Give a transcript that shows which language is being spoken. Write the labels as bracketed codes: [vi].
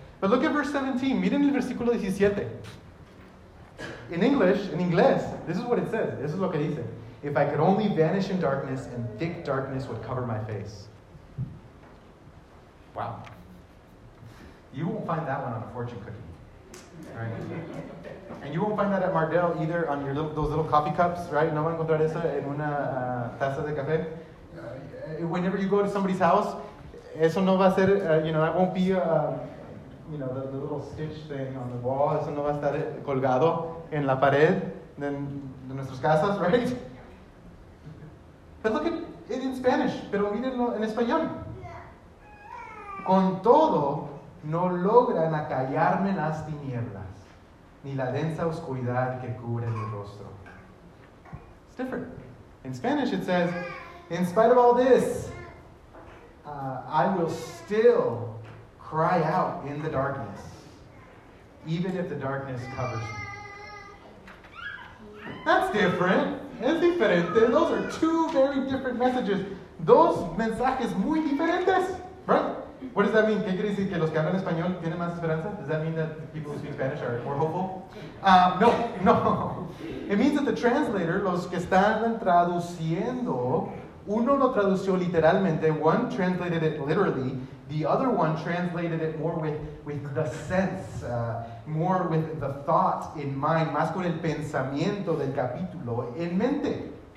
[en] But look at verse 17. [es] Miren el versículo 17. [en] In English, in inglés, this is what it says. This is [es] lo que dice. [en] If I could only vanish in darkness and thick darkness would cover my face. Wow. You won't find that one on a fortune cookie. Right. And you won't find that at Mardell either on your those little coffee cups, right? [es] No va a encontrar eso en una taza de café. [en] Whenever you go to somebody's house, [es] eso no va a ser, [en] that won't be, the little stitch thing on the wall. [es] Eso no va a estar colgado en la pared de nuestras casas, right? [en] But look at it in Spanish. [es] Pero mírenlo en español. Con todo, no logran acallarme las tinieblas, ni la densa oscuridad que cubre mi rostro. [en] It's different. In Spanish it says, in spite of all this, I will still cry out in the darkness, even if the darkness covers me. That's different. [es] Es diferente. [en] Those are two very different messages. [es] Dos mensajes muy diferentes. [en] Right? What does that mean? [es] ¿Qué quiere decir que los que hablan español tienen más esperanza? [en] Does that mean that people who speak Spanish are more hopeful? No. It means that the translator, [es] los que están traduciendo, uno lo tradució literalmente, [en] one translated it literally, the other one translated it more with the sense, more with the thought in mind, [es] más con el pensamiento del capítulo en mente.